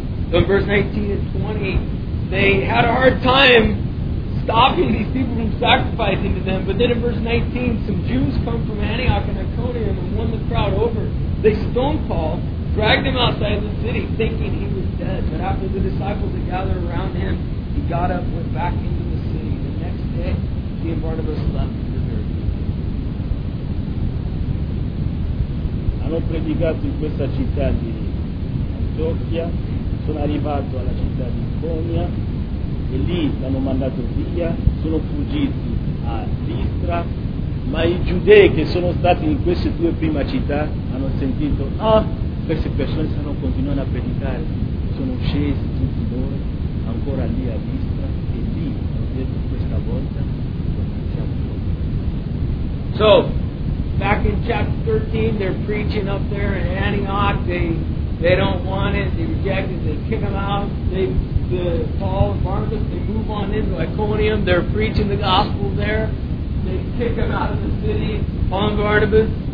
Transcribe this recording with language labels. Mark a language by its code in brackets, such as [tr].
[en] So in verse 19 and 20, they had a hard time stopping these people from sacrificing to them, but then in verse 19, some Jews come from Antioch and Iconium and won the crowd over. They stoned Paul, dragged him outside the city, thinking he was dead. But after the disciples had gathered around him, he got up, went back into the city. The next day, he and Barnabas left. [it] Hanno predicato in questa città di Antiochia, sono arrivato alla città di Iconia e lì l'hanno mandato via, sono fuggiti a Listra, ma i giudei che sono stati in queste due prime città hanno sentito: ah, queste persone stanno continuando a predicare, sono scesi tutti loro ancora lì a Listra, e lì hanno detto: questa volta non siamo noi. [en] So back in chapter 13, they're preaching up there in Antioch. They don't want it. They reject it. They kick them out. Paul and Barnabas, they move on into Iconium. They're preaching the gospel there. They kick them out of the city. Paul and Barnabas,